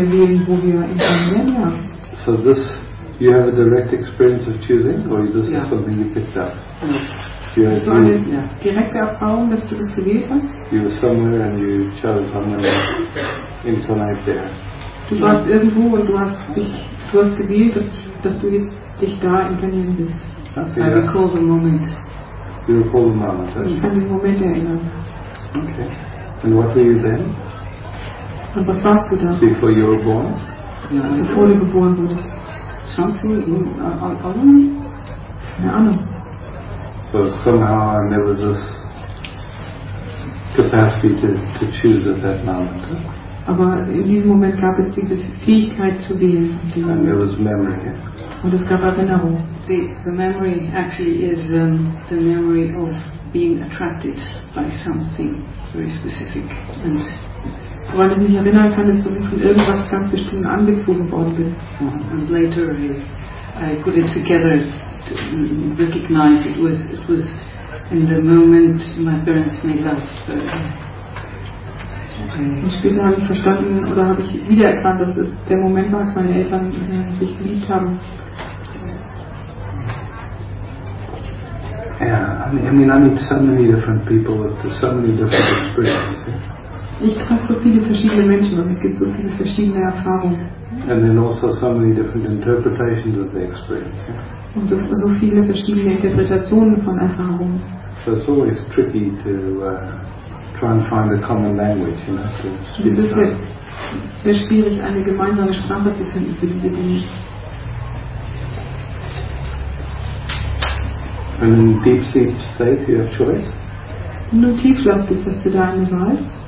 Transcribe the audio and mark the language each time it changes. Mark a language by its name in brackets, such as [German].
[English] So this, you have a direct experience of choosing, or this is something you picked up? [German] Direkte Erfahrung, dass du das gewählt hast? [English] You were somewhere and you chose somewhere in tonight there. [German] Du warst irgendwo und du hast gewählt, dass du jetzt dich da inkarnieren willst. [English] Okay. I recall the moment. You recall the moment. [German] Ich kann den Moment erinnern. [English] Okay. And what were you then? [German] Und was warst du da? [English] Before you were born? [German] Ja, bevor du geboren wurdest. [English] Something in autonomy? [German] Keine Ahnung. [English] So somehow I never this capacity to choose at that moment. [German] Aber in diesem Moment gab es diese Fähigkeit zu wählen. [English] And there was memory. [German] Und es gab Erinnerung. [English] The memory actually is the memory of being attracted by something very specific. And [German] weil ich mich erinnern kann, ist, dass ich von irgendwas ganz bestimmt angezogen worden bin. [English] And later I put it together to recognize it was in the moment my parents made love. [German] Und später habe ich verstanden oder habe ich wiedererkannt, dass es der Moment war, als meine Eltern sich geliebt haben. [English] I mean, I meet so many different people with so many different experiences. [German] Ich treffe so viele verschiedene Menschen und es gibt so viele verschiedene Erfahrungen. [English] And then also so many different interpretations of the experience. Yeah? [German] Und so viele verschiedene Interpretationen von Erfahrungen. [English] So it's always tricky to try and find a common language, you know, to speak. [German] Es ist sehr, sehr schwierig, eine gemeinsame Sprache zu finden für diese Dinge. [English] And in deep sleep state, you have choice. [German] Wenn du tief schlafst, bist, hast du da eine Wahl.